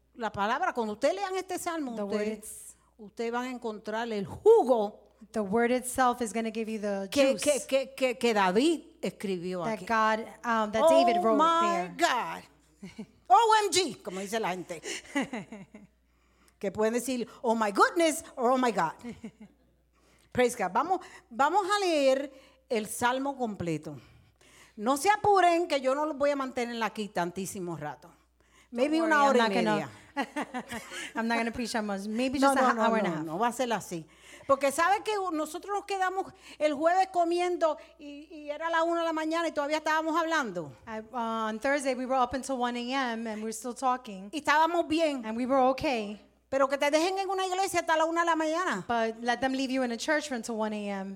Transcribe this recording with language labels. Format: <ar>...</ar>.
<es>La palabra, cuando ustedes lean este salmo, ustedes van a encontrar el jugo.</es> <en>The word itself is going to give you the juice.</en> <es>Que David escribió</es> <en>that</en> <es>aquí.</es> <en>God, that oh David wrote there. Oh my God. OMG,</en> <es>como dice la gente. Que pueden decir,</es> <en>oh my goodness, or oh my God. Praise God.</en> <es>Vamos a leer el salmo completo. No se apuren que yo no los voy a mantener aquí tantísimo rato.</es> <en>Maybe don't worry,</en> <es>una hora y media.</es> <en>I'm not going to preach that much. Maybe just hour and a half.</en> <es>No, va a ser así. Porque sabes que nosotros nos quedamos el jueves comiendo y era la una de la mañana y todavía estábamos hablando.</es> <en>On Thursday we were up until 1 a.m. and we're still talking.</en> <es>Y estábamos bien.</es> <en>And we were okay.</en> <es>Pero que te dejen en una iglesia hasta la una de la mañana.</es> <en>But let them leave you in a church until 1 a.m.</en>